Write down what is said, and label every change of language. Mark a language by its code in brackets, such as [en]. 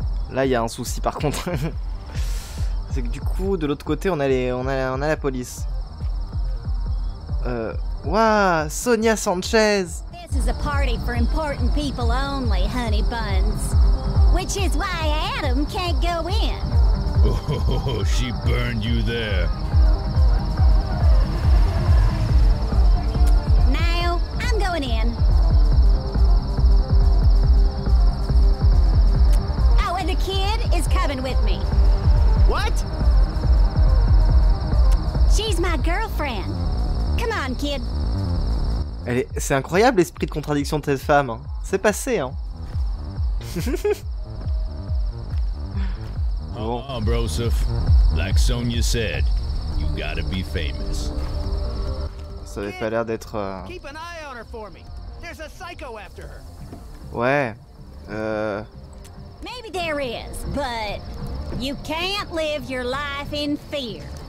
[fr] Là, il y a un souci, par contre. C'est que, du coup, de l'autre côté, on a la police. Wouah, Sonia Sanchez. [en] This is a party for important people only, honey buns. Which is why Adam can't go in. Oh, she burned you there. Now, I'm going in. Oh, and the kid is coming with me. What? She's my girlfriend. Come on, kid. [fr] C'est incroyable l'esprit de contradiction de cette femme. C'est passé, hein. [en] Oh, Broseph, like Sonia said, you gotta be famous. [fr] Ça avait pas l'air d'être. [en] Keep an eye on her for me. There's a psycho after her. [fr] Ouais. [en] Maybe there is, but you can't live your life in fear.